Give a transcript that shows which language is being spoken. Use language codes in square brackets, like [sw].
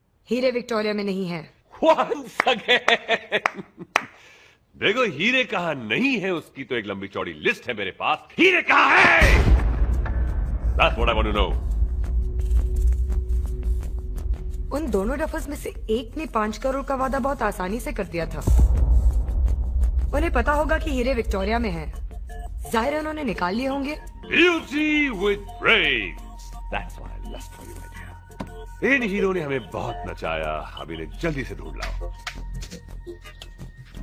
[hi] हीरे विक्टोरिया में नहीं है। [en] Once again! [hi] देखो हीरे कहाँ नहीं है उसकी तो एक लंबी चौड़ी लिस्ट है मेरे पास। हीरे कहाँ है? [en] That's what I want to know. [hi] उन दोनों डफर्स में से एक ने 5 करोड़ का वादा बहुत आसानी से कर दिया था। उन्हें पता होगा कि हीरे विक्टोरिया में है, जाहिर है उन्होंने निकाल लिए होंगे। [en] Beauty with brains. That's why I lust for you. [hi] In hero ने हमें बहुत नचाया, अब इन्हें जल्दी से ढूंढ लाओ।